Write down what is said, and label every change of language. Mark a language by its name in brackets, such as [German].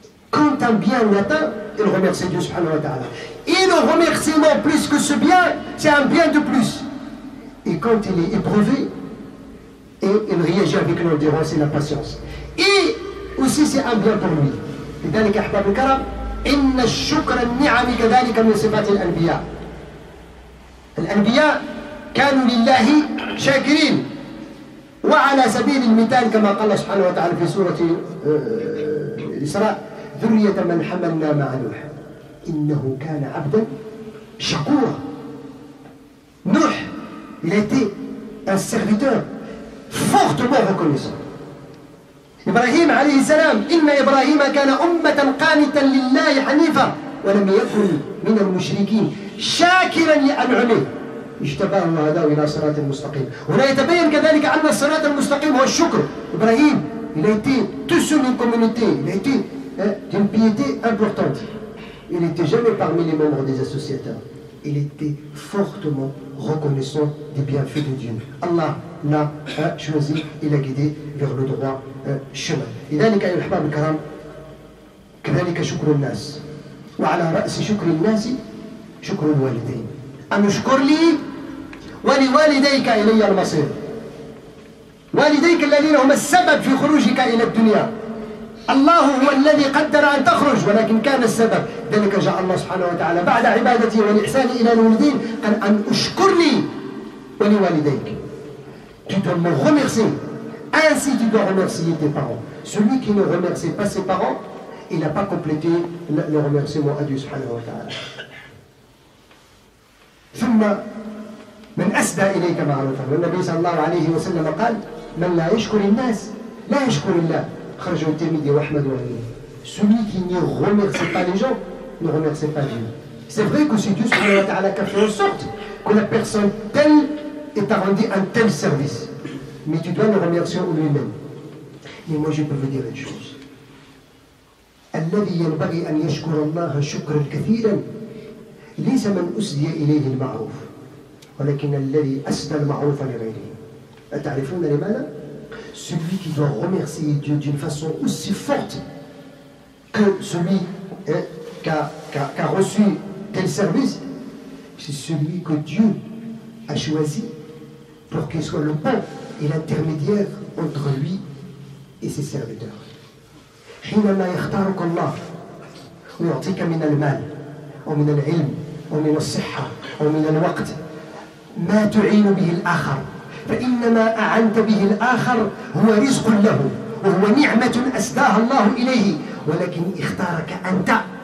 [French] Quand un bien l'atteint, il remercie Dieu [Arabic] subhanahu wa ta'ala. [French] Et le remerciement plus que ce bien, c'est un bien de plus. Et quand il est éprouvé, et il réagit avec l'endurance et la patience. Et aussi, c'est un bien pour lui. Et dans le cas de l'Arab, [Arabic] « Inna shukra ni'ami kadhali kamil sifat al-anbiya » Al-anbiya, « Kanu lillahi shakirin » وعلى سبيل المثال كما قال الله سبحانه وتعالى في سورة الإسراء ذرية من حملنا مع نوح إنه كان عبدا شكورا. [French] نوح il était un serviteur fortement reconnaissant. [Arabic] إبراهيم عليه السلام إن إبراهيم كان أمة قانتا لله حنيفا ولم يكن من المشركين شاكرا لأنعمه اجتباه هذا الى صراط المستقيم. هنا يتبين كذلك ان الصراط المستقيم هو الشكر. [French] ابراهيم il a été tout seul une communauté, il a été d'une piété importante, il n'était jamais parmi les membres des associateurs, il était fortement reconnaissant des bienfaits de Dieu. Allah l'a choisi et l'a guidé vers le droit chemin. [Arabic] لذلك ايها الاحباب الكرام كذلك شكر الناس وعلى راس شكر الناس شكر الوالدين. أن أشكر لي ولوالديك إلي المصير. والديك الذين هم السبب في خروجك إلى الدنيا. الله هو الذي قدر أن تخرج ولكن كان السبب. ذلك جاء الله سبحانه وتعالى بعد عبادتي والإحسان إلى الوالدين قال أن أشكر لي ولوالديك. [French] Tu dois me remercier. Ainsi tu dois remercier tes parents. Celui qui ne remercie pas ses parents, il n'a pas complété le remerciement à Dieu [Arabic] سبحانه وتعالى. ثم من أسدى إليك معروفا، والنبي صلى الله عليه وسلم قال من لا يشكر الناس لا يشكر الله. خرجوا الترمذي وأحمد وغيره. [French] Celui qui ne remercie pas les gens ne remercie pas Dieu. C'est vrai que c'est Dieu [Arabic] subhanahu wa ta'ala [French] qui a fait en sorte que la personne telle ait rendu un tel service. Mais tu dois le remercier en lui-même. Et moi je peux vous dire une chose. [Arabic] الذي ينبغي أن يشكر الله شكرا كثيرا ليس من أسدي إليه المعروف ولكن الذي أسدى المعروف لغيره. أتعرفون لماذا؟ [French] celui qui doit remercier Dieu d'une façon aussi forte que celui qui a reçu tel service, c'est celui que Dieu a choisi pour qu'il soit le pont et l'intermédiaire entre lui et ses serviteurs. [Arabic] حينما يختارك الله ويعطيك من المال ومن العلم ومن الصحة ومن الوقت ما تعين به الآخر فإنما أعنت به الآخر هو رزق له وهو نعمة أسداها الله إليه ولكن اختارك أنت